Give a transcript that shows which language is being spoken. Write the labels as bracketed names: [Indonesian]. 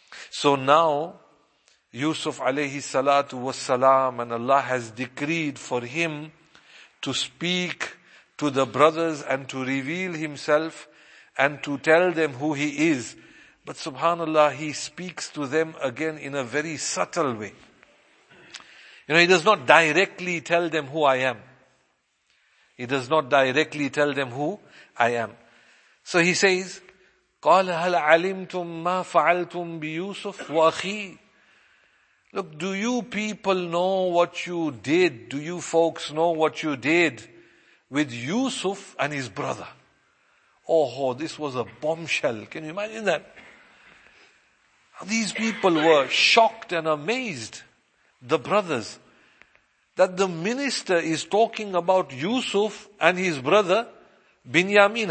[English] So now, Yusuf alayhi salatu wa salam, and Allah has decreed for him to speak to the brothers and to reveal himself and to tell them who he is. But subhanallah, he speaks to them again in a very subtle way. You know, he does not directly tell them who I am. He does not directly tell them who I am. So he says, [Arabic] قَالَ هَلْ عَلِمْتُمْ مَا فَعَلْتُمْ بِيُوسُفْ وَأَخِي. [English] Look, do you people know what you did? Do you folks know what you did with Yusuf and his brother? Oh, this was a bombshell. Can you imagine that? These people were shocked and amazed, the brothers, that the minister is talking about Yusuf and his brother, Binyamin.